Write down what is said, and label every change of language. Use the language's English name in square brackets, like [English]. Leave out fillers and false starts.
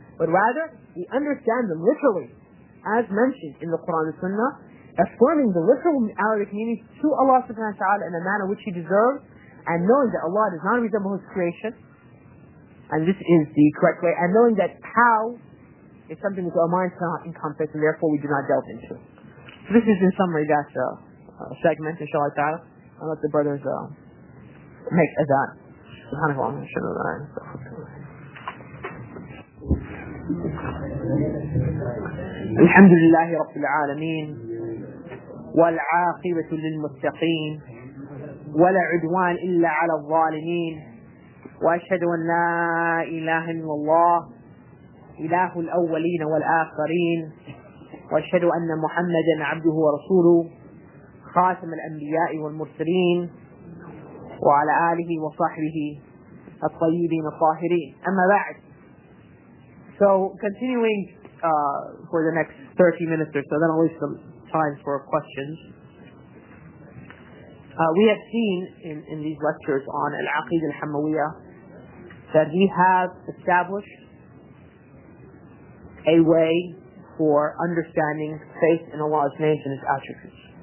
[English] But rather, we understand them literally, as mentioned in the Quran and Sunnah, affirming the literal Arabic meaning to Allah subhanahu wa ta'ala in the manner which he deserves, and knowing that Allah does not resemble his creation, and this is the correct way, and knowing that how is something which our minds cannot encompass, and therefore we do not delve into. So this is in summary that segment, inshallah ta'ala. I'll let the brothers make adhan. [Arabic] Subhanallah, الحمد لله رب العالمين والعاقبة للمتقين ولا عدوان إلا على الظالمين وأشهد أن لا إله إلا الله إله الأولين والآخرين وأشهد أن محمدا عبده ورسوله خاتم الأنبياء والمرسلين وعلى آله وصحبه الطيبين الطاهرين أما بعد. [English] So, continuing for the next 30 minutes or so, then I'll leave some time for questions. We have seen in these lectures on Al-Aqid Al-Hamawiyya that we have established a way for understanding faith in Allah's names and his attributes.